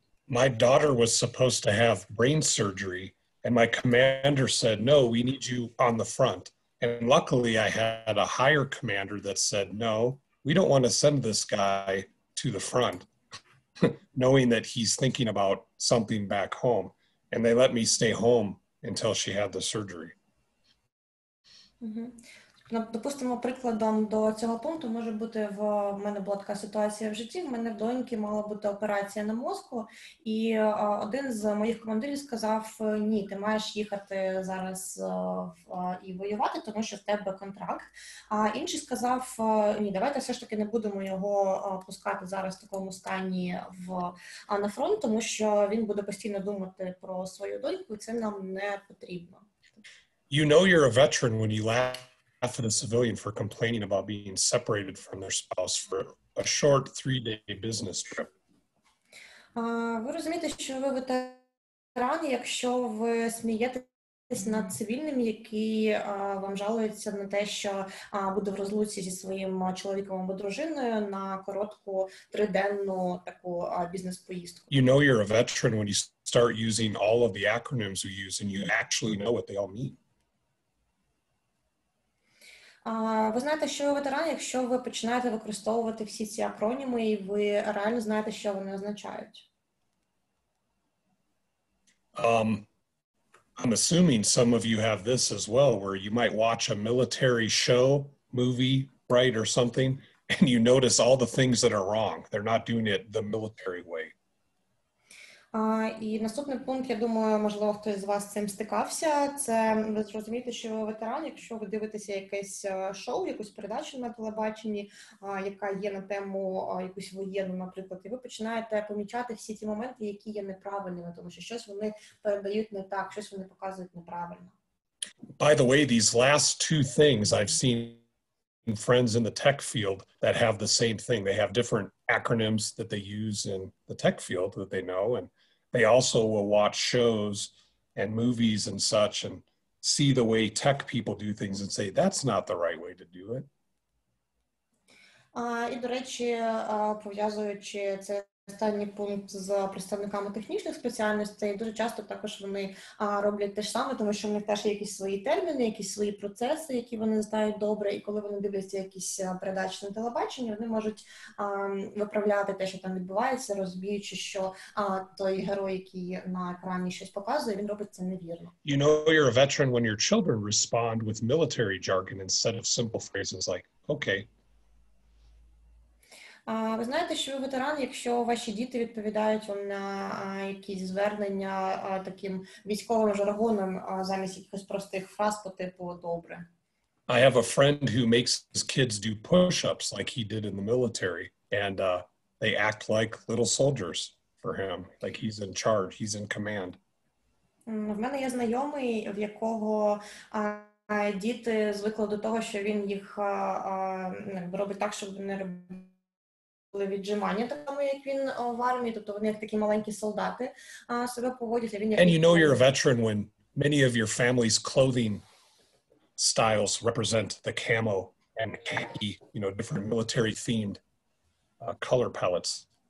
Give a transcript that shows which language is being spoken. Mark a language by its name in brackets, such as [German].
[English] My daughter was supposed to have brain surgery, and my commander said, no, we need you on the front. And luckily, I had a higher commander that said, no, we don't want to send this guy to the front, knowing that he's thinking about something back home. And they let me stay home until she had the surgery. [Ukrainian] Допустимо, прикладом до цього пункту може бути, в мене була така ситуація в житті, в мене в доньки мала бути операція на мозку, і один з моїх командирів сказав, ні, ти маєш їхати зараз і воювати, тому що в тебе контракт, а інший сказав, ні, давайте все ж таки не будемо його пускати зараз в такому стані на фронт, тому що він буде постійно думати про свою доньку, і це нам не потрібно. [English] You know you're a veteran when you laugh half of the civilian for complaining about being separated from their spouse for a short 3-day business trip. [Ukrainian] Ви розумієте, що ви ветеран, якщо ви смієтесь над цивільним, який вам жалується на те, що буде в розлуці зі своїм чоловіком або дружиною на коротку 3-денну таку бізнес-поїздку. [English] You know you're a veteran when you start using all of the acronyms we use and you actually know what they all mean. [Ukrainian] Ви знаєте, що ви ветеран, якщо ви починаєте використовувати всі ці акроніми, і ви реально знаєте, що вони означають. [English] I'm assuming some of you have this as well, where you might watch a military show, movie, right, or something, and you notice all the things that are wrong. They're not doing it the military way. [Ukrainian] І наступний пункт, я думаю, можливо, хтось з вас з цим стикався, це ви зрозумієте, що ви ветеран, якщо ви дивитеся якесь шоу, якусь передачу на телебаченні, яка є на тему якусь воєнну, наприклад, і ви починаєте помічати всі ті моменти, які є неправильними, тому що щось вони передають не так, щось вони показують неправильно. [English] By the way, these last two things I've seen friends in the tech field that have the same thing. They have different acronyms that they use in the tech field that they know, and they also will watch shows and movies and such and see the way tech people do things and say, that's not the right way to do it. [Ukrainian] І, до речі, пов'язуючи цей останній пункт з представниками технічних спеціальностей, дуже часто також вони роблять те ж саме, тому що в них теж є якісь свої терміни, якісь свої процеси, які вони знають добре, і коли вони дивляться якісь передачі на телебаченні, вони можуть виправляти те, що там відбувається, розуміючи, що той герой, який на екрані щось показує, він робить це невірно. [English] You know you're a veteran when your children respond with military jargon instead of simple phrases like, okay. [Ukrainian] Ви знаєте, що ви ветеран, якщо ваші діти відповідають вам на якісь звернення таким військовим жаргоном замість якихось простих фраз по типу «добре». [English] I have a friend who makes his kids do push-ups like he did in the military, and they act like little soldiers for him, like he's in charge, he's in command. [Ukrainian] В мене є знайомий, в якого діти звикли до того, що він їх робить так, щоб вони робили віджимання, так само, як він в армії, тобто вони як такі маленькі солдати себе поводять. Він, [English] and you know you're a veteran when many of your family's clothing styles represent the camo and khaki, you know, different military themed color palettes.